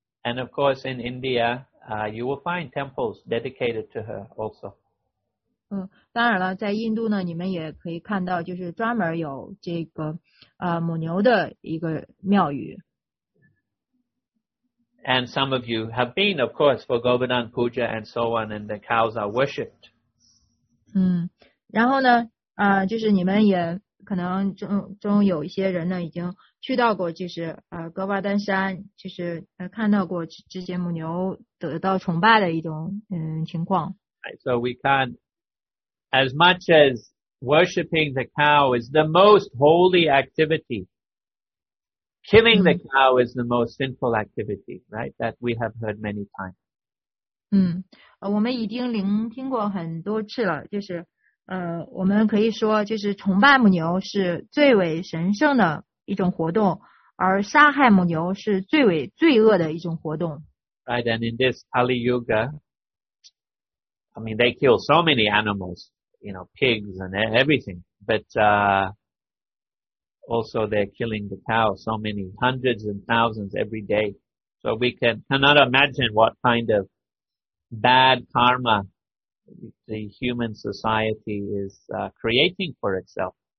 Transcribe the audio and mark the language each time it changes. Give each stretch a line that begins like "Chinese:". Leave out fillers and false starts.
English: And of course in India, you will find temples dedicated to her also.
Chinese: 当然了在印度呢你们也可以看到就是专门有这个母牛的一个庙宇。
English: And some of you have been, of course, for Govardhan Puja and so on, and the cows are worshipped.
Chinese: 然后呢就是你们也可能 中有一些人呢已经去到过就是格瓦丹山就是看到过这些母牛得到崇拜的一种情况。
English: Right, so we can, as much as worshipping the cow is the most holy activity, killing the cow is the most sinful activity, right? That we have heard many times.
Chinese: 我们已经聆听过很多次了就是我们可以说就是崇拜母牛是最为神圣的一种活动而杀害母牛是最为罪恶的一种活动。
English: Right, and in this Kali Yuga, I mean, they kill so many animals, you know, pigs and everything, but also they're killing the cow so many, hundreds and thousands every day. So we cannot imagine what kind of bad karma the human society is creating for itself.